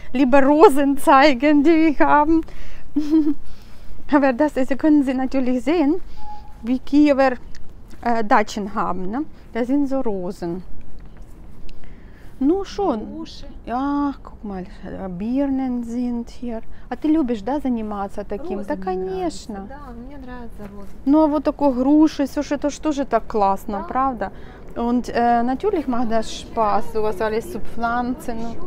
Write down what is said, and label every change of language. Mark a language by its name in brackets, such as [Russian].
[German] Lieber Rosen zeigen, die wir haben. Aber das ist, können Sie natürlich sehen, wie Kiewer Datschen haben. Ne? Das sind so Rosen. Ну schon. Ja, guck mal, Birnen sind hier. [Russian] А ты любишь, да, заниматься таким? Розы, да, конечно. Да, мне нравятся розы. Ну, а вот такой груши, слушай, это что же так классно, да. Правда? [German] Und natürlich macht das Spaß, [Russian] у вас [German] alles zu pflanzen.